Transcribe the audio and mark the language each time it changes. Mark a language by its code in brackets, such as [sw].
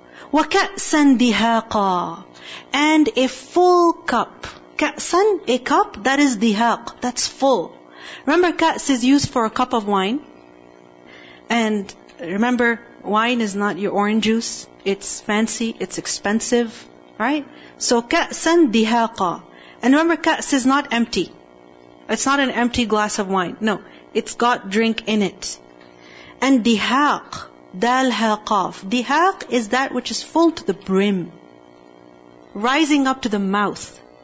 [ar] وَكَأْسًا دِهَاقًا. [en] And a full cup. كَأْسًا, a cup, that is dihaq, that's full. Remember, كَأْس is used for a cup of wine. And remember, wine is not your orange juice. It's fancy, it's expensive. Right? So, [ar] كَأْسًا دِهَاقًا. [en] And remember, كَأْس is not empty. It's not an empty glass of wine. No, it's got drink in it. And dihaq, dal haqaf. Dihaq is that which is full to the brim, rising up to the mouth.